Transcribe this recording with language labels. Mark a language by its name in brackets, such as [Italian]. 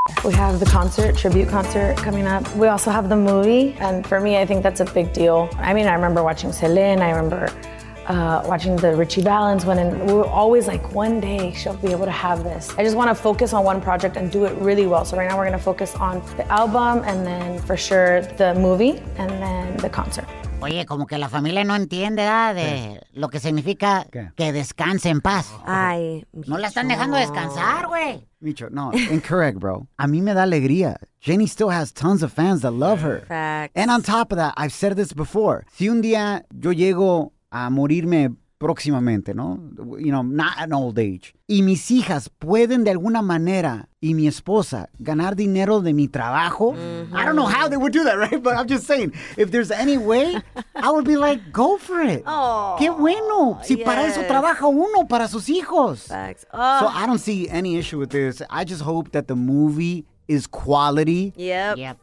[English] We have the concert, tribute concert coming up. We also have the movie, and for me, I think that's a big deal. I mean, I remember watching Celine, I remember watching the Richie Valens one, and we were always like, one day she'll be able to have this. I just want to focus on one project and do it really well. So right now we're going to focus on the album and then for sure the movie and then the concert. [Spanish] Oye, como que la familia no entiende, ¿verdad? De ¿qué? Lo que significa ¿qué? Que descanse en paz. Ay, no la están dejando descansar, güey. Micho, no, [English] incorrect, bro. [Spanish] A mí me da alegría. [English] Jenny still has tons of fans that love her. Facts. And on top of that, I've said this before. [Spanish] Si un día yo llego a morirme próximamente, ¿no? [English] You know, not an old age. [Spanish] Y mis hijas pueden de alguna manera y mi esposa ganar dinero de mi trabajo. [English] Mm-hmm. I don't know how they would do that, right? But I'm just saying, if there's any way, I would be like, go for it. Oh, [Spanish] qué bueno. Si yes. Para eso trabaja uno, para sus hijos. [English] Facts. So I don't see any issue with this. I just hope that the movie is quality. Yep.